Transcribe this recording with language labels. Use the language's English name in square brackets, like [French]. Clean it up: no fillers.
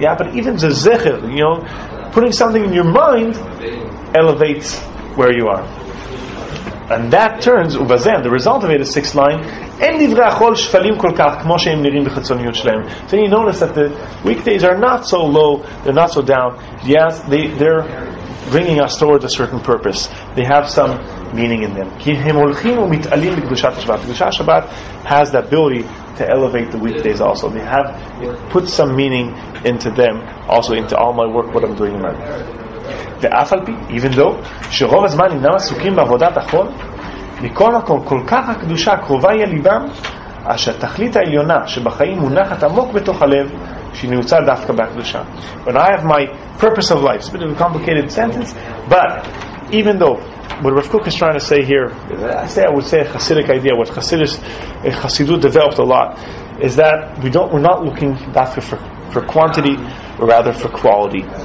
[English] Yeah, but even the zechir, you know, putting something in your mind elevates where you are. And that turns, [Hebrew] ובזן, [English] the result of it is sixth line, [Hebrew] אין דברי החול שפלים כל כך כמו שהם נראים בחצוניות שלהם. [English] So you notice that the weekdays are not so low, they're not so down. Yes, they're bringing us towards a certain purpose. They have some meaning in them. [Hebrew] כי הם הולכים ומתעלים בקדושת השבת. [English] קדושת השבת has the ability to elevate the weekdays also. They have put some meaning into them, also into all my work, what I'm doing in my life. [Hebrew] ואף על פי, [English] even though, [Hebrew] שרוב הזמן אינם עסוקים בעבודת החול, מכל מקום, כל כך הקדושה קרובה היא הליבם, אשר תכלית העליונה שבחיים מונחת עמוק בתוך הלב, שנעוצה דווקא בהקדושה. [English] When I have my purpose of life, it's a bit of a complicated sentence, but even though, what Rav Kook is trying to say here, I would say a Hasidic idea, what Hasidut developed a lot, is that we're not looking dafka for quantity, but rather for quality.